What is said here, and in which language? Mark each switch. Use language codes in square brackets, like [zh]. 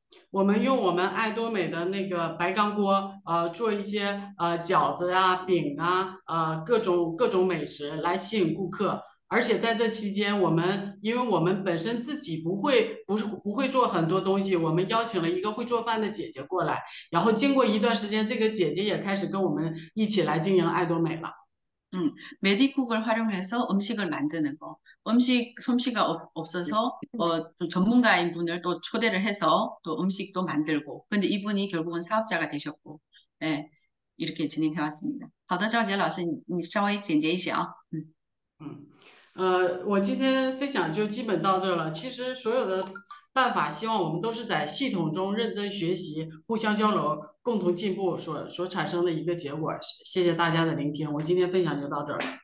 [zh] 我们用我们爱多美的那个白钢锅，做一些饺子啊、饼啊，各种美食来吸引顾客。而且在这期间，因为我们本身自己不会做很多东西，我们邀请了一个会做饭的姐姐过来。然后经过一段时间，这个姐姐也开始跟我们一起来经营爱多美了。 [ko] 메디쿡을 활용해서 음식을 만드는 거. 음식 솜씨가 없어서 좀 전문가인 분을 또 초대를 해서 또 음식도 만들고. 근데 이분이 결국은 사업자가 되셨고, 예, 이렇게 진행해 왔습니다. [zh] 好的，赵杰老师，你稍微简洁一些啊。我今天分享就基本到这了。其实所有的办法，希望我们都是在系统中认真学习，互相交流，共同进步所产生的一个结果。谢谢大家的聆听，我今天分享就到这儿。